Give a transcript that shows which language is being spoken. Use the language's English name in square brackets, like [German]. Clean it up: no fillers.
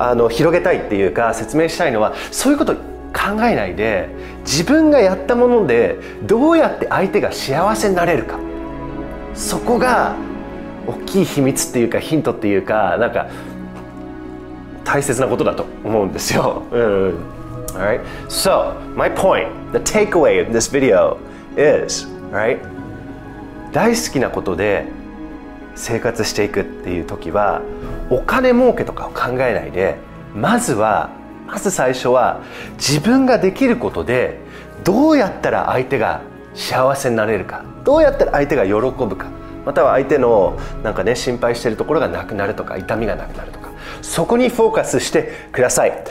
[Japanese] 広げたいっていうか説明したいのは、そういうこと考えないで自分がやったものでどうやって相手が幸せになれるか、そこが大きい秘密っていうかヒントっていうか、なんか大切なことだと思うんですよ。 [English] Alright, so my point, the takeaway of this video is, right? [Japanese] 大好きなことで生活していくっていう時はお金儲けとかを考えないで、まず最初は自分ができることでどうやったら相手が幸せになれるか、どうやったら相手が喜ぶか、または相手のなんかね心配しているところがなくなるとか痛みがなくなるとか、そこにフォーカスしてください。